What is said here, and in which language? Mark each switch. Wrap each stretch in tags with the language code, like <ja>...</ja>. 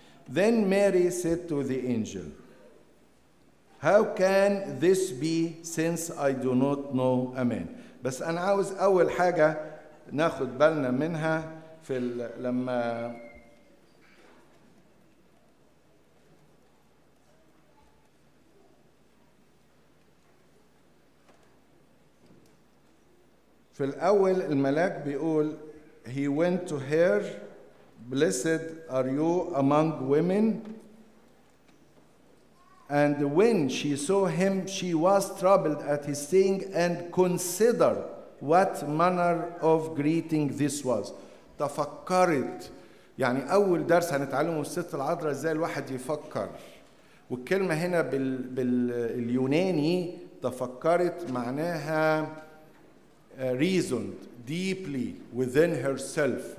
<en>Then Mary said to the angel, "How can this be since I do not know a man?"</en> <ar>بس أنا عاوز أول حاجة ناخد بالنا منها في لما في الأول الملاك بيقول he went to her, "Blessed are you among women."</ar> <en>And when she saw him, she was troubled at his saying and considered what manner of greeting this was.</en> <ar>تفكرت، يعني أول درس هنتعلمه الست العذراء إزاي الواحد يفكر. والكلمة هنا باليوناني تفكرت معناها reasoned deeply within herself.</ar>